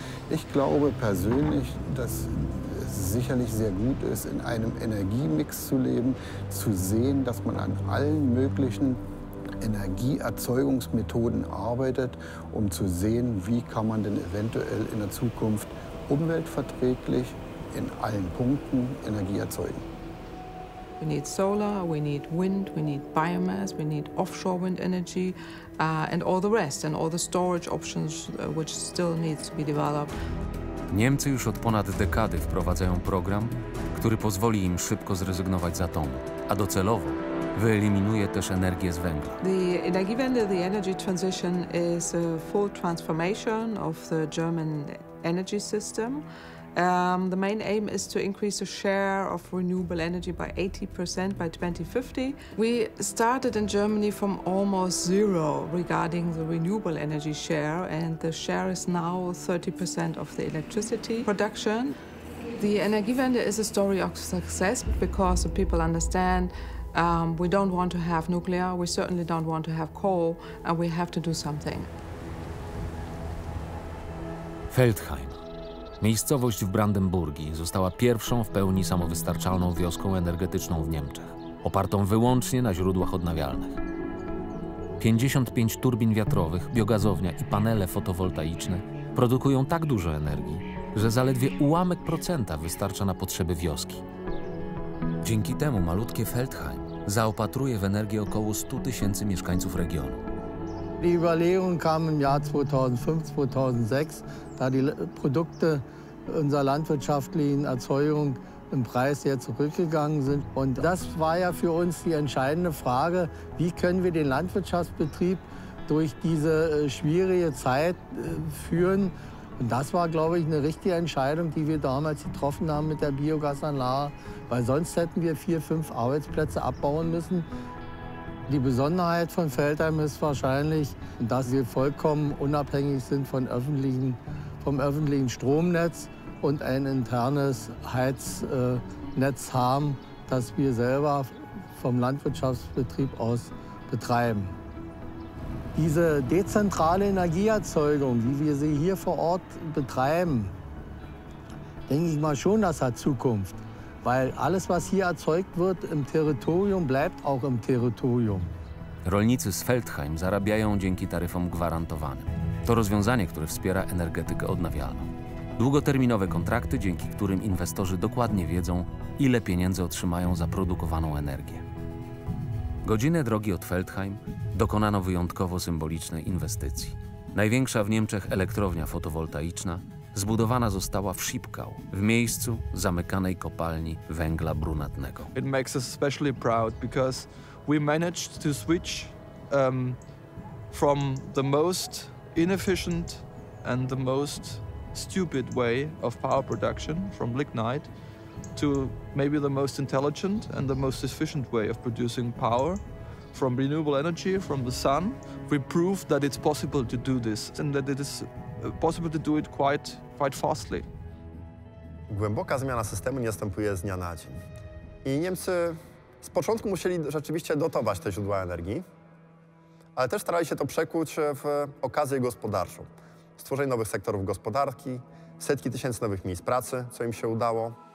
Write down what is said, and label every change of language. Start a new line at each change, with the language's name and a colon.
German: Ich glaube persönlich, dass sicherlich sehr gut ist, in einem Energiemix zu leben, zu sehen, dass man an allen möglichen Energieerzeugungsmethoden arbeitet, um zu sehen, wie kann man denn eventuell in der Zukunft umweltverträglich in allen Punkten Energie erzeugen.
English: We need solar, we need wind, we need biomass, we need offshore wind energy and all the rest and all the storage options which still needs to be developed.
Polish: Niemcy już od ponad dekady wprowadzają program, który pozwoli im szybko zrezygnować z atomu, a docelowo wyeliminuje też energię z węgla.
English: The Energiewende, the energy transition is a full transformation of the German energy system. The main aim is to increase the share of renewable energy by 80% by 2050. We started in Germany from almost zero regarding the renewable energy share, and the share is now 30% of the electricity production. The Energiewende is a story of success because the people understand we don't want to have nuclear, we certainly don't want to have coal, and we have to do something.
Polish: Feldheim. Miejscowość w Brandenburgii została pierwszą w pełni samowystarczalną wioską energetyczną w Niemczech, opartą wyłącznie na źródłach odnawialnych. 55 turbin wiatrowych, biogazownia i panele fotowoltaiczne produkują tak dużo energii, że zaledwie ułamek procenta wystarcza na potrzeby wioski. Dzięki temu malutkie Feldheim zaopatruje w energię około 100 tysięcy mieszkańców regionu.
German: Die Überlegung kam im Jahr 2005, 2006, da die Produkte unserer landwirtschaftlichen Erzeugung im Preis sehr zurückgegangen sind. Und das war ja für uns die entscheidende Frage, wie können wir den Landwirtschaftsbetrieb durch diese schwierige Zeit führen. Und das war, glaube ich, eine richtige Entscheidung, die wir damals getroffen haben mit der Biogasanlage, weil sonst hätten wir 4, 5 Arbeitsplätze abbauen müssen. Die Besonderheit von Feldheim ist wahrscheinlich, dass wir vollkommen unabhängig sind vom öffentlichen Stromnetz und ein internes Heiznetz haben, das wir selber vom Landwirtschaftsbetrieb aus betreiben. Diese dezentrale Energieerzeugung, wie wir sie hier vor Ort betreiben, denke ich mal schon, das hat Zukunft. Weil alles, was hier erzeugt wird im Territorium, bleibt auch im Territorium.
Polish: Rolnicy z Feldheim zarabiają dzięki taryfom gwarantowanym. To rozwiązanie, które wspiera energetykę odnawialną. Długoterminowe kontrakty, dzięki którym inwestorzy dokładnie wiedzą, ile pieniędzy otrzymają za produkowaną energię. Godzinę drogi od Feldheim dokonano wyjątkowo symbolicznej inwestycji. Największa w Niemczech elektrownia fotowoltaiczna zbudowana została w Schipkau, w miejscu zamykanej kopalni węgla brunatnego.
English: It makes us especially proud because we managed to switch from the most inefficient and the most stupid way of power production from lignite to maybe the most intelligent and the most efficient way of producing power from renewable energy, from the sun. We proved that it's possible to do this and that it is possible to do it quite fastly.
Polish: Głęboka zmiana systemu nie następuje z dnia na dzień. I Niemcy z początku musieli rzeczywiście dotować te źródła energii, ale też starali się to przekuć w okazję gospodarczą. Stworzenie nowych sektorów gospodarki, setki tysięcy nowych miejsc pracy, co im się udało.